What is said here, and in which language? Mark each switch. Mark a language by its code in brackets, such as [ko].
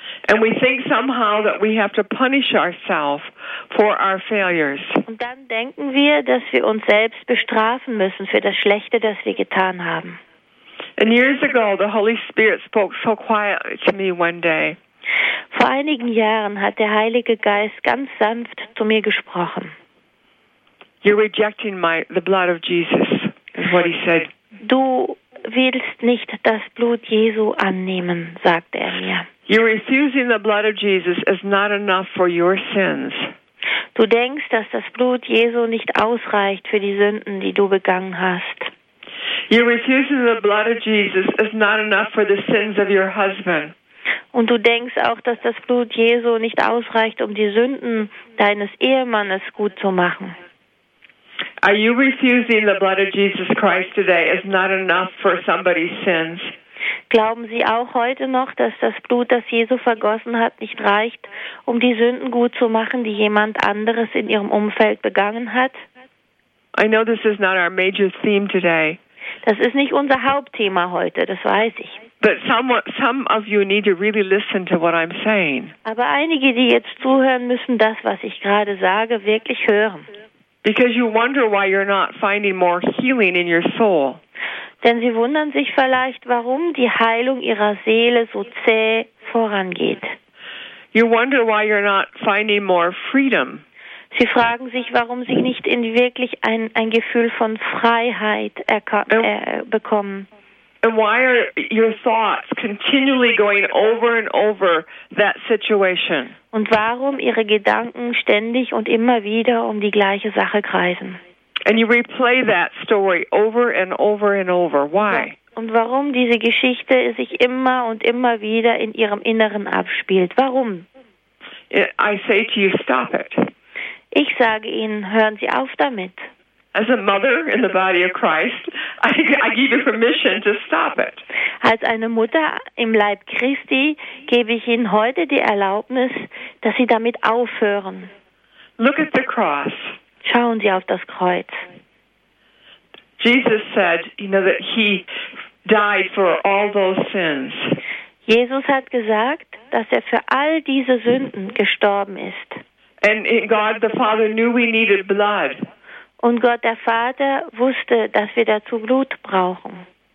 [en] And we think somehow that we have to punish ourselves for our failures. [de] Und dann denken wir, dass wir uns selbst bestrafen müssen für das Schlechte, das wir getan haben. [en] And years ago, the Holy Spirit spoke so quietly to me one day. [de] Vor einigen Jahren hat der Heilige Geist ganz sanft zu mir gesprochen. [en] You're rejecting the blood of Jesus, is what he said. [de] Du willst nicht das Blut Jesu annehmen, sagt er mir. [en] You're refusing the blood of Jesus is not enough for your sins. [de] Du denkst, dass das Blut Jesu nicht ausreicht für die Sünden, die du begangen hast. [en] You're refusing the blood of Jesus is not enough for the sins of your husband. [de] Und du denkst auch, dass das Blut Jesu nicht ausreicht, um die Sünden deines Ehemannes gut zu machen. [en] Are you refusing the blood of Jesus Christ today is not enough for somebody's sins? [de] Glauben Sie auch heute noch, dass das Blut, das Jesu vergossen hat, nicht reicht, um die Sünden gut zu machen, die jemand anderes in Ihrem Umfeld begangen hat? [en] I know this is not our major theme today. [de] Das ist nicht unser Hauptthema heute, das weiß ich. [en] But some of you need to really listen to what I'm saying. [de] Aber einige, die jetzt zuhören, müssen das, was ich gerade sage, wirklich hören. [en] Because you wonder why you're not finding more healing in your soul. [de] Denn sie wundern sich vielleicht, warum die Heilung ihrer Seele so zäh vorangeht. [en] You wonder why you're not finding more freedom. [de] Sie fragen sich, warum sie nicht in wirklich ein Gefühl von Freiheit bekommen. [en] And why are your thoughts continually going over and over that situation? [de] Und warum ihre Gedanken ständig und immer wieder um die gleiche Sache kreisen? [en] And you replay that story over and over and over. Why? [de] Und warum diese Geschichte sich immer und immer wieder in ihrem Inneren abspielt? Warum? [en] I say to you, stop it. [de] Ich sage Ihnen, hören Sie auf damit. [en] As a mother in the body of Christ, I give you permission to stop it. [de] Als eine Mutter im Leib Christi gebe ich Ihnen heute die Erlaubnis, dass Sie damit aufhören. [en] Look at the cross. [de] Schauen Sie auf das Kreuz. [en] Jesus said, you know, that he died for all those sins. [de] Jesus hat gesagt, dass er für all diese Sünden gestorben ist. [en] And God the Father knew we needed blood. [de] Und Gott der Vater wusste, dass wir dazu Blut brauchen.